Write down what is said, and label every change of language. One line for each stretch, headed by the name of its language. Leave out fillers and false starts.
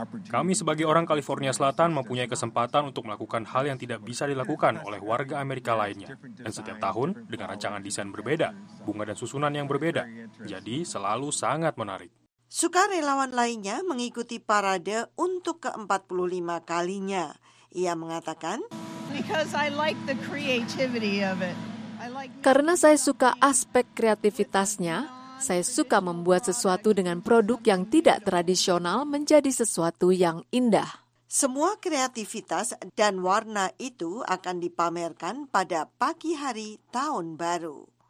Indonesian: Kami sebagai orang California Selatan mempunyai kesempatan untuk melakukan hal yang tidak bisa dilakukan oleh warga Amerika lainnya. Dan setiap tahun, dengan rancangan desain berbeda, bunga dan susunan yang berbeda, jadi selalu sangat menarik. Sukarelawan lainnya mengikuti parade untuk ke-45 kalinya. Ia mengatakan,
English: "Because I like the creativity of it.
Indonesian: Karena saya suka aspek kreativitasnya, saya suka membuat sesuatu dengan produk yang tidak tradisional menjadi sesuatu yang indah. Semua kreativitas dan warna itu akan dipamerkan pada pagi hari tahun baru."